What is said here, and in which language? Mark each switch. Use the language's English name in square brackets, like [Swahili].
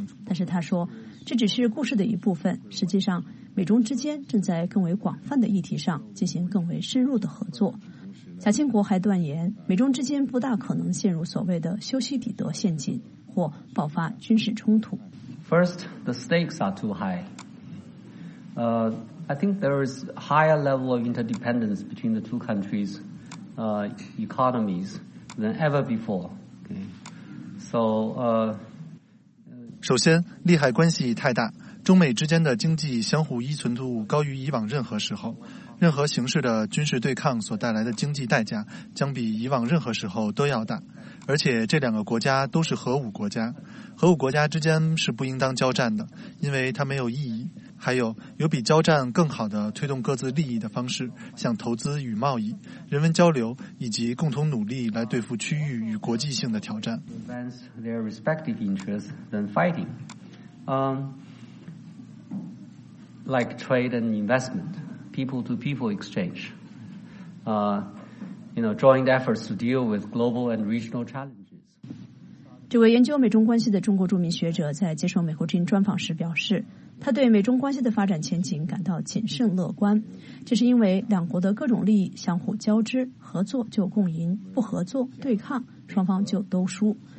[Chinese] 但是他说，这只是故事的一部分，实际上美中之间正在更为广泛的议题上进行更为深入的合作。贾庆国还断言，美中之间不大可能陷入所谓的修昔底德陷阱或爆发军事冲突。 [English] First, the stakes are too high. I think there is a higher level of interdependence between the two countries' economies than ever before. So, [Chinese] 首先，利害关系太大，中美之间的经济相互依存度高于以往任何时候，任何形式的军事对抗所带来的经济代价将比以往任何时候都要大，而且这两个国家都是核武国家，核武国家之间是不应当交战的，因为它没有意义。还有，有比交战更好的推动各自利益的方式，像投资与贸易、人文交流以及共同努力来对付区域与国际性的挑战。 [English] Advance their respective interests than fighting, like trade and investment, people to people exchange, joint efforts to deal with global and regional challenges. [Chinese] 这位研究美中关系的中国著名学者在接受美国之音专访时表示，他对美中关系的发展前景感到谨慎乐观，这是因为两国的各种利益相互交织，合作就共赢，不合作对抗，双方就都输。